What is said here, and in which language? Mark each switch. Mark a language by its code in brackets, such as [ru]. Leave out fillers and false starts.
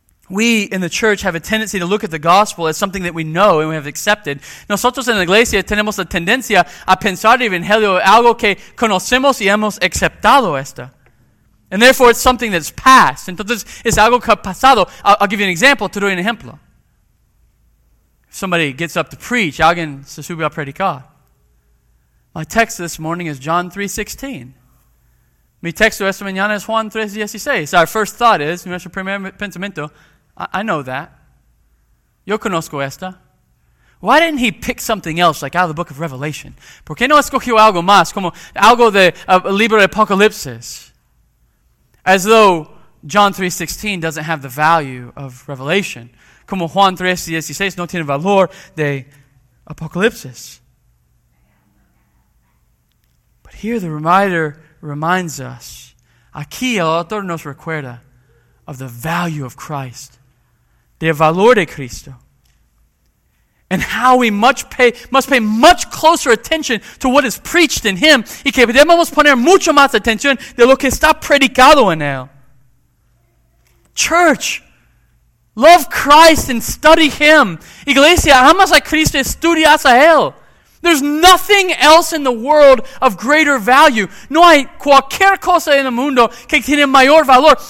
[en] We in the church have a tendency to look at the gospel as something that we know and we have accepted. [es] Nosotros en la iglesia tenemos la tendencia a pensar en Evangelio algo que conocemos y hemos aceptado esto. [en] And therefore, it's something that's past. [es] Entonces, es algo que ha pasado. [en] I'll give you an example. [es] Te doy un ejemplo. [en] If somebody gets up to preach, [es] alguien se sube a predicar. [en] My text this morning is John 3:16. [es] Mi texto esta mañana es Juan 3:16. [en] Our first thought is, [es] nuestro primer pensamiento, [en] I know that. [es] Yo conozco esta. [en] Why didn't he pick something else, like out of the book of Revelation? [es] ¿Por qué no escogió algo más, como algo de libro de Apocalipsis? [en] As though John 3:16 doesn't have the value of Revelation. [es] Como Juan 3:16 no tiene valor de Apocalipsis. [en] But here the writer reminds us, [es] aquí el autor nos recuerda, [en] of the value of Christ. [es] De valor de Cristo. [en] And how we must pay much closer attention to what is preached in Him. [es] Y que debemos poner mucho más atención de lo que está predicado en Él. [en] Church, love Christ and study Him. [es] Iglesia, amas a Cristo y estudias a Él. [en] There's nothing else in the world of greater value. [es] No hay cualquier cosa en el mundo que tiene mayor valor.